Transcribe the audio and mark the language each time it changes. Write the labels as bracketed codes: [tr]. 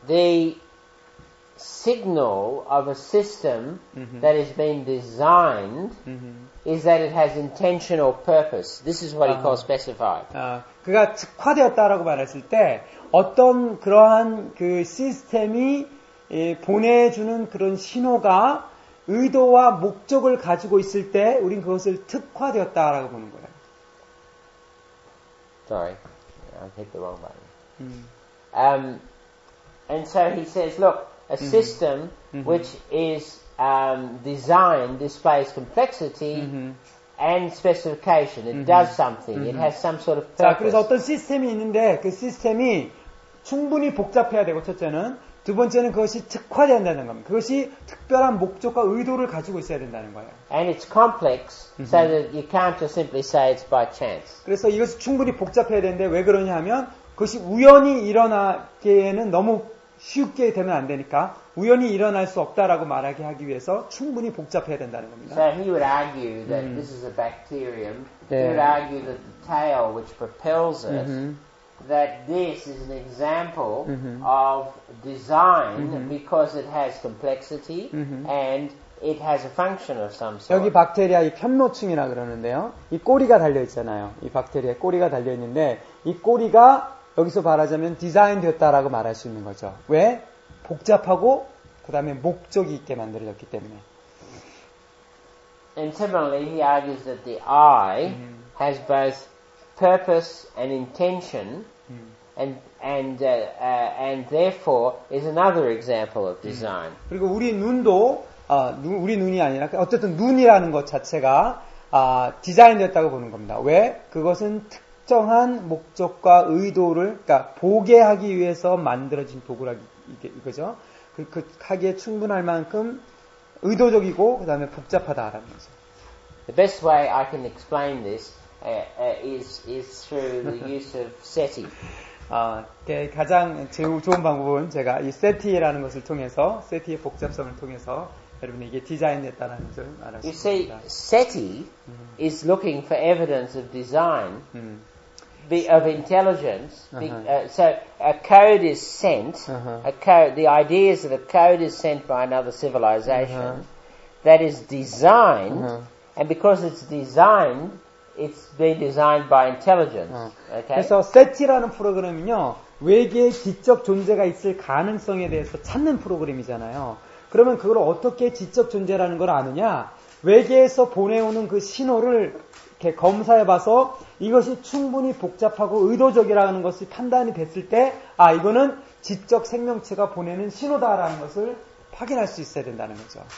[en] The signal of a system that has been designed is that it has intention or purpose. This is what he calls specified. [ko] 그가 특화되었다라고 말했을 때 어떤 그러한 그 시스템이 보내주는 그런 신호가 의도와 목적을 가지고 있을 때 우린 그것을 특화되었다라고 보는 거예요. [en] Sorry, I hit the wrong button. And so he says, look, a system which is designed displays complexity and specification. It does something. It has some sort of purpose. [ko] 자, 그래서 어떤 시스템이 있는데 그 시스템이 충분히 복잡해야 되고 첫째는 두 번째는 그것이 특화된다는 겁니다. 그것이 특별한 목적과 의도를 가지고 있어야 된다는 거예요. [en] And it's complex, mm-hmm. so that you can't just simply say it's by chance. [ko] 그래서 이것이 충분히 복잡해야 되는데 왜 그러냐면 그것이 우연히 일어나기에는 너무 쉽게 되면 안 되니까 우연히 일어날 수 없다라고 말하게 하기 위해서 충분히 복잡해야 된다는 겁니다. [en] So he would argue that mm-hmm. this is a bacterium. Yeah. He would argue that the tail which propels it. Mm-hmm. That this is an example mm-hmm. of design mm-hmm. because it has complexity mm-hmm. and it has a function of some sort. [ko] 여기 박테리아 이 편모층이라 그러는데요. 이 꼬리가 달려 있잖아요. 이 박테리아 꼬리가 달려 있는데 이 꼬리가 여기서 말하자면 디자인되었다라고 말할 수 있는 거죠. 왜? 복잡하고 그다음에 목적이 있게 만들어졌기 때문에. [en] And similarly, he argues that the eye mm-hmm. has both. Purpose and intention, and therefore is another example of design. [ko] 그리고 우리 눈도 우리 눈이 아니라 어쨌든 눈이라는 것 자체가 디자인됐다고 보는 겁니다. 왜? 그것은 특정한 목적과 의도를 그러니까 보게 하기 위해서 만들어진 도구라기 이거죠. 그 하기에 충분할 만큼 의도적이고 그다음에 복잡하다라는 거죠. [en] The best way I can explain this. Is through the use of SETI. [ko] 가장 좋은 방법은 제가 이 SETI라는 것을 통해서 SETI의 복잡성을 통해서 여러분 이게 디자인됐다는 것을 알았습니다. [en] You see, SETI is looking for evidence of design, of intelligence. So a code is sent. Uh-huh. A code. The idea is that a code is sent by another civilization uh-huh. that is designed, uh-huh. and because it's designed. It's been designed by intelligence. Okay. [ko] 그래서 SETI라는 프로그램은요 외계의 지적 존재가 있을 가능성에 대해서 찾는 프로그램이잖아요. 그러면 그걸 어떻게 지적 존재라는 걸 아느냐? 외계에서 보내오는 그 신호를 이렇게 검사해봐서 이것이 충분히 복잡하고 의도적이라는 것이 판단이 됐을 때, 아 이거는 지적 생명체가 보내는 신호다라는 것을 확인할 수 있어야 된다는 거죠.